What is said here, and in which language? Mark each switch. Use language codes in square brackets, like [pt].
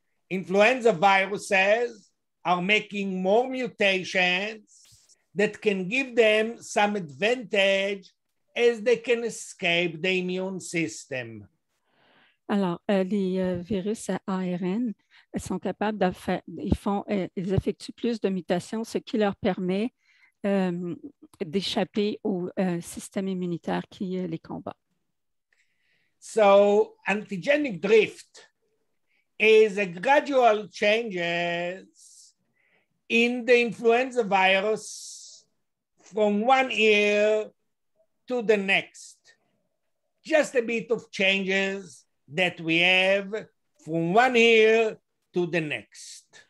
[en] Influenza viruses are making more mutations that can give them some advantage as they can escape the immune system. [fr] Alors, les virus à ARN sont capables de faire, ils effectuent plus de mutations, ce qui leur permet d'échapper au système immunitaire qui les combat. [en] So, antigenic drift is a gradual change in the influenza virus from one year to the next. Just a bit of changes that we have from one year to the next.